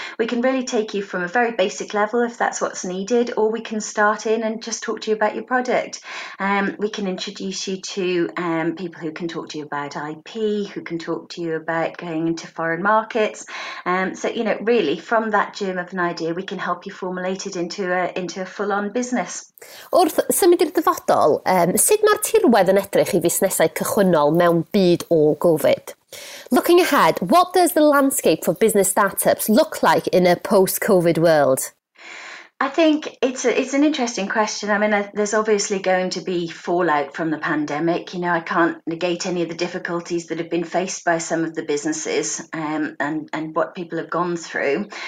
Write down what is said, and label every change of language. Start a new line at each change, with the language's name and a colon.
English: We can really take you from a very basic level if that's what's needed, or we can start in and just talk to you about your product. We can introduce you to people who can talk to you about IP, who can talk to you about going into foreign markets. So, you know, really from that journey of an idea, we can help you formulate it into a full-on business.
Welsh: Wrth symud i'r dyfodol, sut mae'r tirwedd yn edrych I fusnesau cychwynnol mewn byd ôl-GOFID?
English: Looking ahead, what does the landscape for business startups look like in a post-COVID world? I think it's an interesting question. I mean, there's obviously going to be fallout from the pandemic. You know, I can't negate any of the difficulties that have been faced by some of the businesses and what people have gone through.